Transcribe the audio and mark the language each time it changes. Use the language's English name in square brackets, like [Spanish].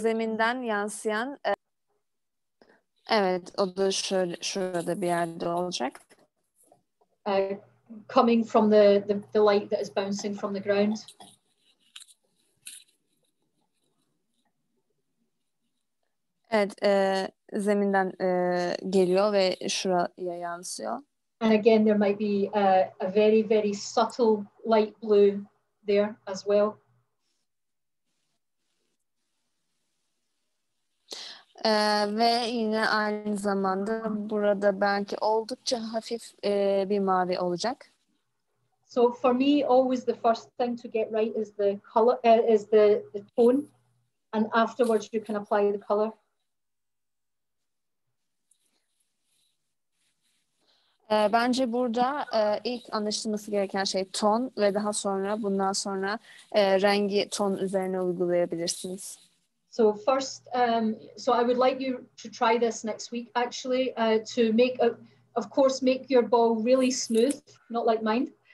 [Turkish] Zeminden yansıyan evet o da şurada bir yerde olacak. [English] Coming from the light that is bouncing from the ground. [Turkish] Evet, zeminden geliyor ve şuraya yansıyor. [English] And again there might be a very very subtle light blue there as well. [Turkish] Ve yine aynı zamanda burada belki oldukça hafif bir mavi olacak. [English] So for me always the first thing to get right is the color is the tone and afterwards you can apply the color. [Turkish] Bence burada ilk anlaşılması gereken şey ton ve daha sonra bundan sonra rengi ton üzerine uygulayabilirsiniz. [English] So first so I would like you to try this next week actually to make of course make your ball really smooth, not like mine.